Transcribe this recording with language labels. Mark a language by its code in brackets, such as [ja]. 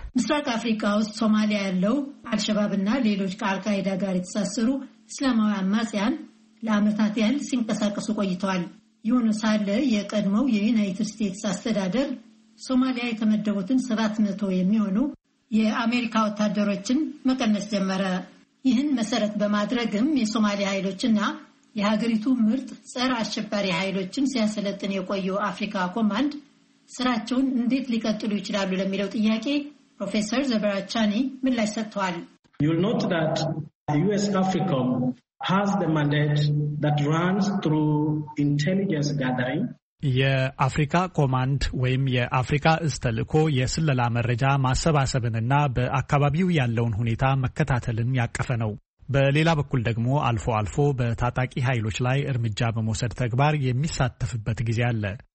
[am] ምስራቅ አፍሪካ ውስጥ ሶማሊያ ያለው አልሸባብና ሌሎች ከአልቃይዳ ጋር የተሳሰሩ እስላማዊ አማጽያን ለአመታት ያህል ሲንቀሳቀሱ ቆይተዋል። ይሁን ሳለ የቀድሞው የዩናይትድ ስቴትስ አስተዳደር ሶማሊያ የተመደቡትን 700 የሚሆኑ የአሜሪካ ወታደሮችን መቀነስ ጀመረ። ይህን መሰረት በማድረግም የሶማሊያ ኃይሎችና የሀገሪቱ ምርጥ ጸረ አሸባሪ ኃይሎችን ሲያሰለጥን የቆየው አፍሪካ ኮማንድ ስራቸውን እንዴት ሊቀጥሉ ይችላሉ ለሚለው ጥያቄ ፕሮፌሰር ዘበር ኢቻኒ ምላሽ ሰጥተዋል። [en] You'll note that US AFRICOM has the mandate that runs through intelligence gathering. [am] የአፍሪካ ኮማንድ ወይም የአፍሪካ እዝ ተልዕኮ የስለላ መረጃ ማሰባሰብንና በአካባቢው ያለውን ሁኔታ መከታተልን ያቀፈ ነው። በሌላ በኩል ደግሞ አልፎ አልፎ በታጣቂ ኃይሎች ላይ እርምጃ በመውሰድ ተግባር የሚሳተፍበት ጊዜ አለ።